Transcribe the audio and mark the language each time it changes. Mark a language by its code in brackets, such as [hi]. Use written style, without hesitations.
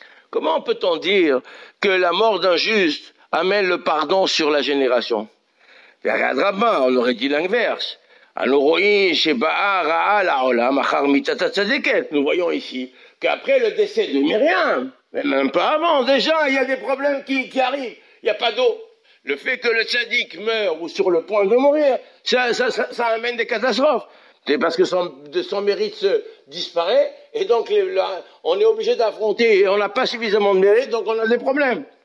[fr] Comment peut-on dire que la mort d'un juste amène le pardon sur la génération? On aurait dit l'inverse. [he] אנו רואים שבאה רעה לעולם אחר מיתת הצדיקת. [fr] נו voyons ici qu'après le décès de Myriam, même pas avant, déjà il y a des problèmes qui arrivent, il y a pas d'eau. Le fait que le tzadik meure ou sur le point de mourir, ça amène des catastrophes. C'est parce que son mérite se disparaît, et donc là, on est obligé d'affronter, et on n'a pas suffisamment de mérite, donc on a des problèmes.